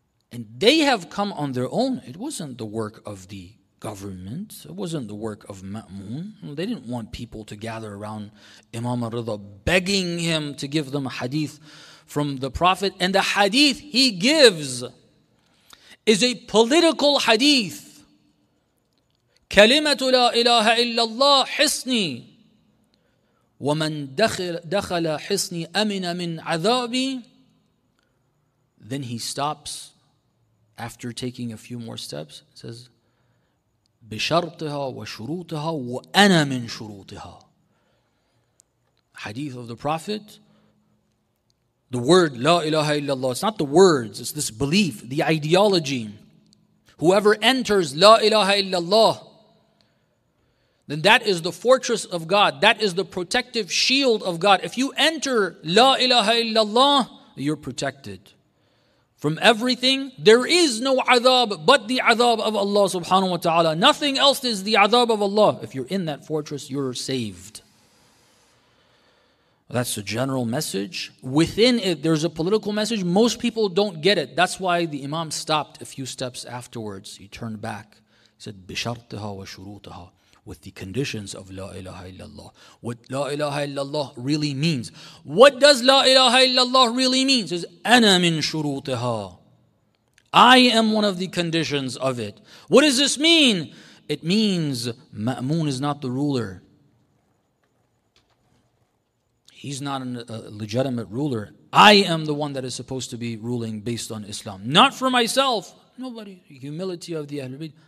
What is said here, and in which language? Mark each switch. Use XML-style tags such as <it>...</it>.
<en>And they have come on their own. It wasn't the work of the government. It wasn't the work of Ma'mun. They didn't want people to gather around Imam al-Ridha begging him to give them a hadith from the Prophet. And the hadith he gives is a political hadith.</en> <ar>كلمة لا إله إلا الله حسني ومن دخل حسني أمن من عذابي.</ar> <en>Then he stops after taking a few more steps. Says</en> <ar>بشرطها وشروطها وأنا من شروطها.</ar> <en>Hadith of the Prophet. The word, La ilaha illallah, it's not the words, it's this belief, the ideology. Whoever enters La ilaha illallah, then that is the fortress of God, that is the protective shield of God. If you enter La ilaha illallah, you're protected from everything. There is no adab but the adab of Allah subhanahu wa ta'ala. Nothing else is the adab of Allah. If you're in that fortress, you're saved. That's a general message. Within it, there's a political message. Most people don't get it. That's why the imam stopped a few steps afterwards. He turned back. He said,</en> <ar>بِشَرْطِهَا وَشُرُوطِهَا,</ar> <en>with the conditions of La ilaha illallah. What La ilaha illallah really means. What does La ilaha illallah really mean? He says,</en> <ar>أَنَا مِن شُرُوطِهَا.</ar> <en>I am one of the conditions of it. What does this mean? It means Ma'mun is not the ruler. He's not a legitimate ruler. I am the one that is supposed to be ruling based on Islam. Not for myself. Nobody. Humility of the Ahlul Bayt.</en>